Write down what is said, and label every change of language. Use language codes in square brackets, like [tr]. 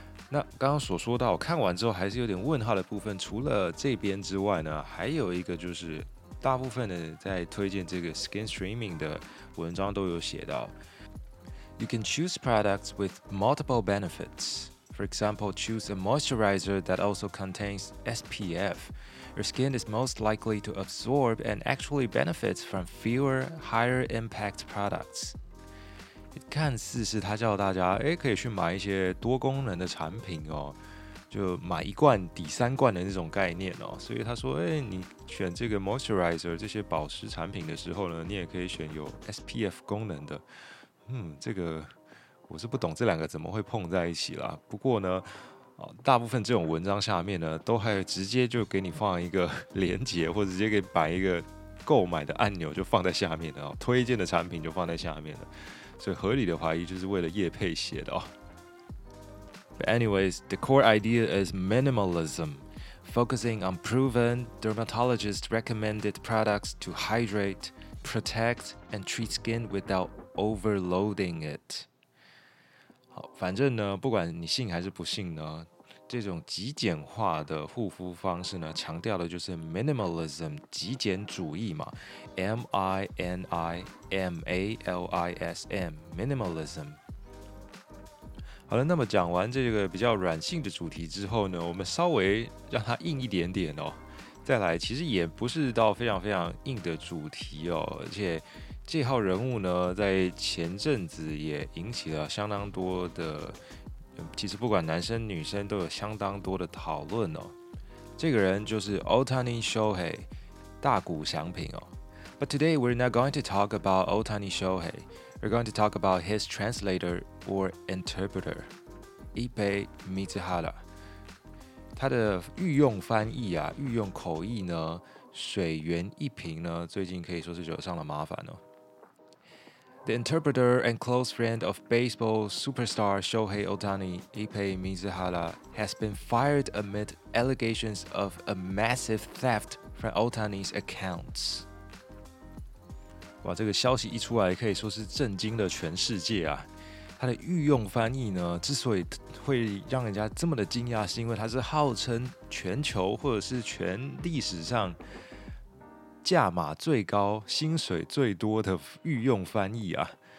[zh] 那刚刚所说到看完之后还是有点问号的部分除了这边之外呢还有一个就是大部分的在推荐这个 skin streaming 的文章都有写到。 [en] You can choose products with multiple benefits. For example, choose a moisturizer that also contains SPF. Your skin is most likely to absorb and actually benefits from fewer higher impact products. [zh] 看似是他叫大家、欸、可以去买一些多功能的产品哦，就买一罐抵三罐的那种概念哦。所以他说、欸、你选这个 moisturizer 这些保湿产品的时候呢，你也可以选有 SPF 功能的。这个我是不懂这两个怎么会碰在一起啦不过呢大部分这种文章下面呢都还直接就给你放一个连结或者直接给摆一个购买的按钮就放在下面的推荐的产品就放在下面的所以合理的怀疑就是为了业配写的哦。 [en] But anyways, the core idea is minimalism, focusing on proven dermatologist recommended products to hydrate, protect, and treat skin without overloading it. [zh] 好反正呢不管你信还是不信呢这种极简化的护肤方式呢强调的就是 minimalism, 极简主义嘛 M-I-N-I-M-A-L-I-S-M, minimalism。好了那么讲完这个比较软性的主题之后呢我们稍微让它硬一点点哦。再来其实也不是到非常非常硬的主题哦而且这号人物呢在前阵子也引起了相当多的其实不管男生女生都有相当多的讨论哦。这个人就是 Ohtani Shohei, 大谷翔平哦。 [en] But today we're not going to talk about Ohtani Shohei, we're going to talk about his translator or interpreter, Ippei Mizuhara. [zh] 他的御用翻译啊御用口译呢水源一平呢最近可以说是惹上了麻烦哦。 [en] The interpreter and close friend of baseball superstar Shohei Ohtani, Ippei Mizuhara, has been fired amid allegations of a massive theft from Ohtani's accounts. [zh] 哇，这个消息一出来，可以说是震惊了全世界啊！他的御用翻译呢，之所以会让人家这么的惊讶，是因为他是号称全球或者是全历史上。价码最高、薪水最多的御用翻译啊，